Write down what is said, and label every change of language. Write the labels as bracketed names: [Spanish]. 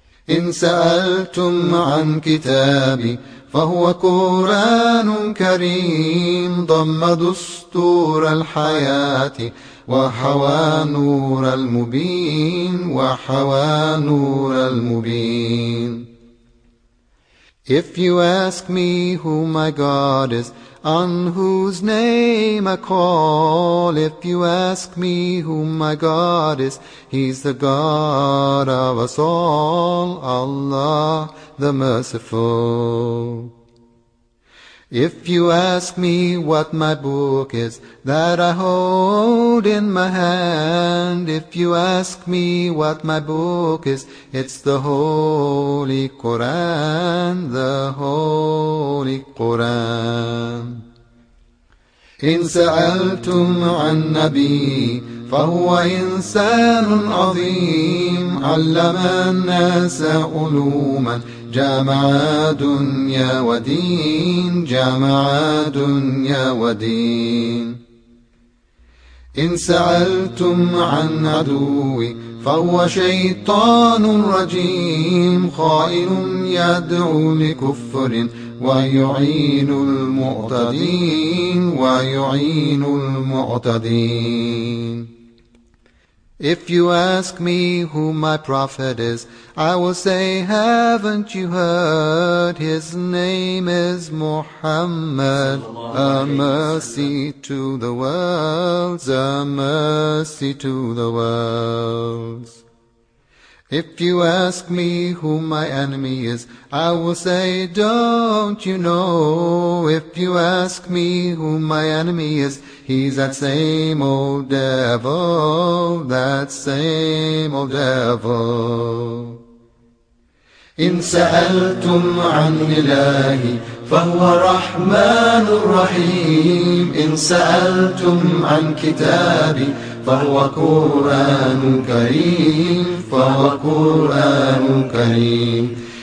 [Arabic] إن سألتم عن كتابي فهو قرآن كريم، ضم دستور الحياة وحوى نور المبين، وحوى نور المبين. [English] If you ask me who my God is, on whose name I call, if you ask me who my God is, He's the God of us all, Allah the Merciful. If you ask me what my book is that I hold in my hand, if you ask me what my book is, it's the Holy Quran, the Holy Quran. [Arabic] إن سألتم عن نبي فهو إنسان عظيم، علم الناس علوما جامع دنيا ودين، جامع دنيا ودين. إن سألتم عن عدوي فهو شيطان رجيم، خائن يدعو لكفر ويعين المعتدين، ويعين المعتدين. [English] If you ask me who my prophet is, I will say, haven't you heard? His name is Muhammad, a mercy to the worlds, a mercy to the worlds. If you ask me who my enemy is, I will say, don't you know? If you ask me who my enemy is, he's that same old devil, that same old devil. [Arabic] إن سألتم عن إلهي فهو رحمن رحيم، إن سألتم عن كتابي فهو قرآن كريم، فهو قرآن كريم.